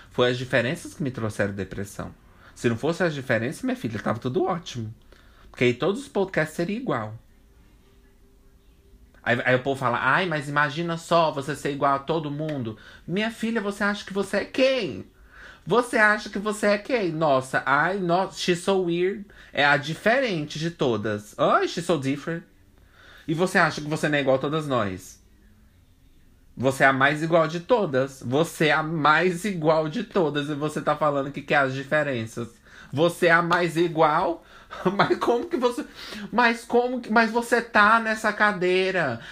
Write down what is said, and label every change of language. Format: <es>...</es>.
<pt>Foi as diferenças que me trouxeram depressão. Se não fossem as diferenças, minha filha, tava tudo ótimo. Porque aí todos os podcasts seriam igual. Aí o povo fala: ai, mas imagina só você ser igual a todo mundo. Minha filha, você acha que você é quem? Você acha que você é quem? Nossa, ai, nossa,</pt> <en>she's so weird.</en> <pt>É a diferente de todas. Ai,</pt> <en>she's so different.</en> <pt>E você acha que você não é igual a todas nós? Você é a mais igual de todas. Você é a mais igual de todas. E você tá falando que quer as diferenças. Você é a mais igual? Mas como que você. Mas como que. Mas você tá nessa cadeira?</pt>